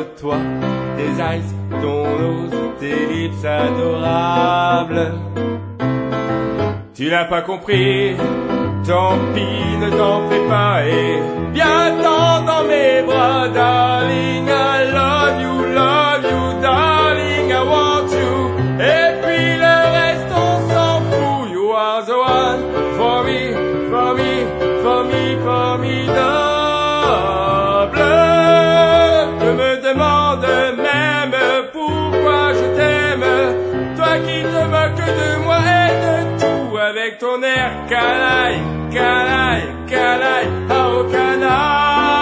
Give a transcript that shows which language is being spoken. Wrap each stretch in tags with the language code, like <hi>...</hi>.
<fr>Toi, tes eyes, ton nose, tes lips adorables. Tu n'as pas compris, tant pis, ne t'en fais pas. Et viens-t'en dans mes bras, darling.</fr> <en>I love you, darling, I want you.</en> <fr>Et puis le reste, on s'en fout.</fr> <en>You are the one for me, for me, for me, formidable.</en> <fr>Je me demande même pourquoi je t'aime, toi qui te moques de moi et de avec ton air, canaille, canaille, canaille, oh canaille.</fr>